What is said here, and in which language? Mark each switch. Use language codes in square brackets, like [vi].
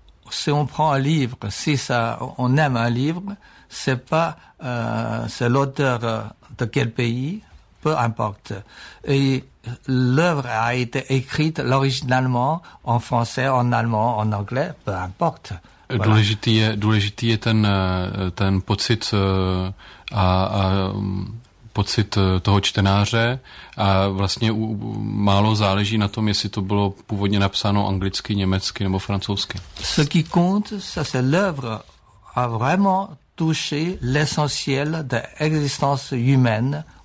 [fr] Si on prend un livre, si ça, on aime un livre, c'est pas c'est l'auteur de quel pays? Peu importe. Et l'œuvre a été écrite originalement en français, en allemand, en anglais, peu importe. Voilà. [cs] Důležitý je ten pocit a pocit toho čtenáře a vlastně málo záleží na tom, jestli to bylo původně napsáno anglicky, německy nebo francouzsky. [fr] Ce qui compte, ça c'est l'œuvre a vraiment touché l'essentiel de l'existence humaine.